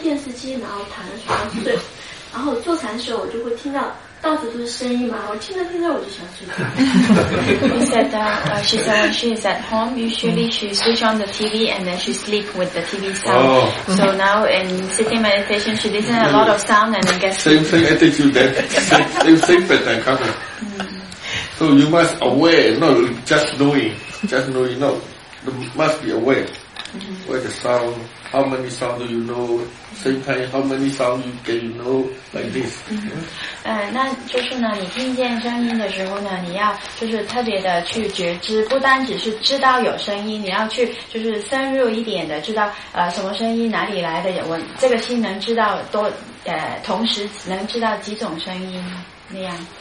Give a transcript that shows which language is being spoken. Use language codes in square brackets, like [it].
[zh] 我做禅的时候一直是有瞌睡的问题，因为我在家里是这样睡觉的，我就开着电视机，然后躺在床上睡。然后坐禅的时候，我就会听到处都是声音嘛。我听着听着，我就想睡觉。 [en] He said that she said when she is at home, usually she switch on the TV and then she sleep with the TV sound. Oh. So now in sitting meditation, she listen a lot of sound and then gets sleep. Same attitude that same pattern come. So you must aware, not just knowing. No, you must be aware. Mm-hmm. Where the sound, how many sound do you know? Same time, how many sound you can you know like this? Mm-hmm. [zh] 那就是呢，你听见声音的时候呢，你要就是特别的去觉知，不单只是知道有声音，你要去就是深入一点的知道什么声音哪里来的，我这个心能知道多同时能知道几种声音那样。